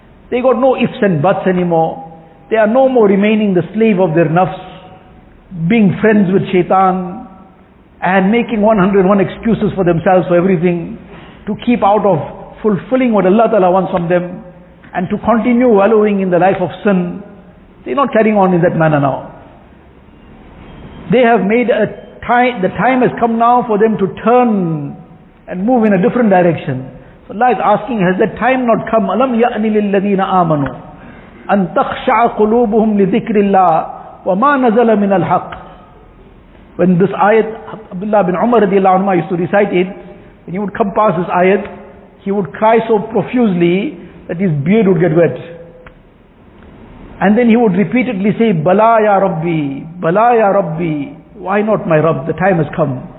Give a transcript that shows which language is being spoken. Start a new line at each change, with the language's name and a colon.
English: They got no ifs and buts anymore. They are no more remaining the slave of their nafs, being friends with shaitan, and making 101 excuses for themselves for everything, to keep out of fulfilling what Allah Ta'ala wants from them, and to continue wallowing in the life of sin. They're not carrying on in that manner now. They have made a time, the time has come now for them to turn and move in a different direction. So Allah is asking, has that time not come?
Arabic: Alam ya'ni lilladhina amanu. أن تخشع قلوبهم لذكر الله وما نزل من الحق.
English: When this ayat, Abdullah bin Umar radiallahu anhu used to recite it, when he would come past this ayat, he would cry so profusely that his beard would get wet. And then he would repeatedly say,
Arabic: Bala ya Rabbi, Bala ya Rabbi,
English: why not my Rabb? The time has come.